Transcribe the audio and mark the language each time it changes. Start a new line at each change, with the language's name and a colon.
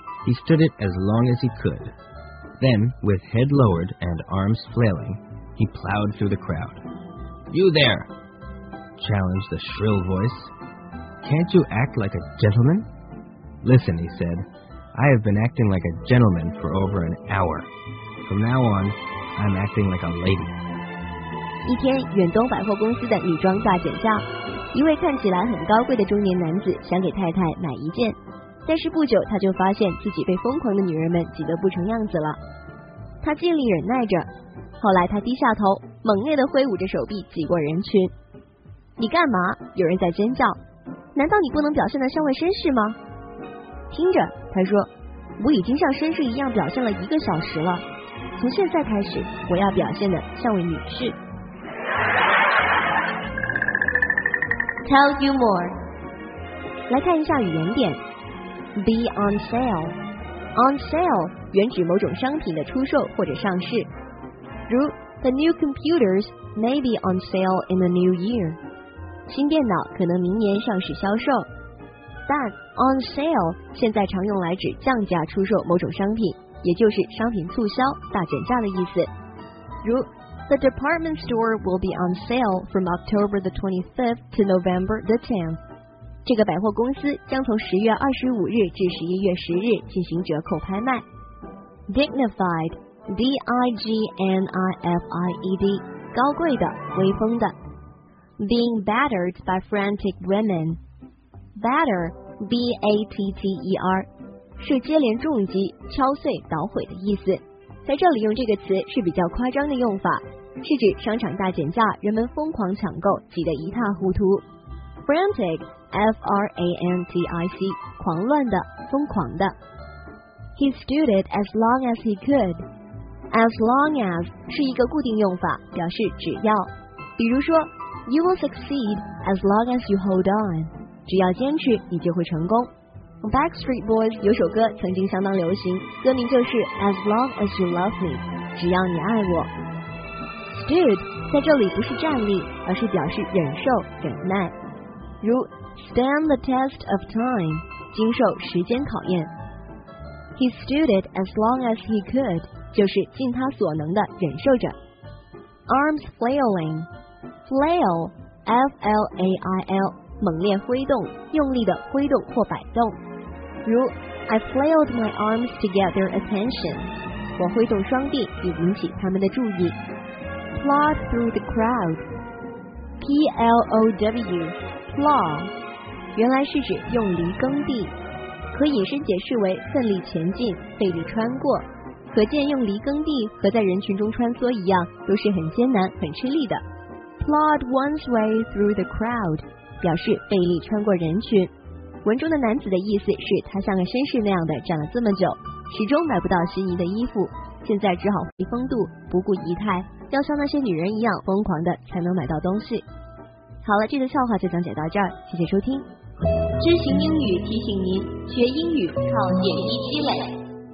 English: He stood it as long as he could. Then, with head lowered and arms flailing, he plowed through the crowd. "You there!" challenged a shrill voice. "Can't you act like a gentleman?" "Listen," he said. I have been acting like a gentleman for over an hour. From now on, I'm acting like a lady.
Chinese: 一天，远东百货公司的女装大减价，一位看起来很高贵的中年男子想给太太买一件，但是不久他就发现自己被疯狂的女人们挤得不成样子了。他尽力忍耐着，后来他低下头，猛烈地挥舞着手臂挤过人群。你干嘛？有人在尖叫。难道你不能表现得像位绅士吗？听着，他说，我已经像绅士一样表现了一个小时了，从现在开始我要表现的像位女士。
English: Tell you more，
Chinese: 来看一下语言点。
English: Be on sale， on sale
Chinese: 原指某种商品的出售或者上市，如
English: The new computers may be on sale in the new year，
Chinese: 新电脑可能明年上市销售。但 on sale 现在常用来指降价出售某种商品，也就是商品促销、大减价的意思。
English: 如 The department store will be on sale from October the 25th to November the 10th.
Chinese: 这个百货公司将从10月25日至11月10日进行折扣拍卖。
English: Dignified, D-I-G-N-I-F-I-E-D,
Chinese: 高贵的、威风的。
English: Being battered by frantic women.
Chinese: Batter, B-A-T-T-E-R 是接连重击、敲碎、捣毁的意思，在这里用这个词是比较夸张的用法，是指商场大减价，人们疯狂抢购，挤得一塌糊涂。
English: Frantic, F-R-A-N-T-I-C
Chinese: 狂乱的、疯狂的。
English: He stood it as long as he could. As long as
Chinese: 是一个固定用法，表示只要，比如说
English: You will succeed as long as you hold on.
Chinese: 只要坚持，你就会成功。 Backstreet Boys 有首歌曾经相当流行，歌名就是 As Long As You Love Me， 只要你爱我。 Stood 在这里不是站立，而是表示忍受、忍耐，如
English: Stand the test of time，
Chinese: 经受时间考验。
English: He stood it as long as he could，
Chinese: 就是尽他所能的忍受着。
English: Arms flailing， flail， F-L-A-I-L，
Chinese: 猛烈挥动，用力的挥动或摆动，如
English: I flailed my arms to get their attention，
Chinese: 我挥动双臂以引起他们的注意。
English: Plod through the crowd，
Chinese: P-L-O-W， plod 原来是指用犁耕地，可引申解释为奋力前进、费力穿过，可见用犁耕地和在人群中穿梭一样，都是很艰难、很吃力的。
English: Plod one's way through the crowd，
Chinese: 表示费力穿过人群。文中的男子的意思是他像个绅士那样的站了这么久，始终买不到心仪的衣服，现在只好回风度，不顾仪态，要像那些女人一样疯狂的才能买到东西。好了，这个笑话就讲解到这儿，谢谢收听。知行英语提醒您，学英语靠点滴积累。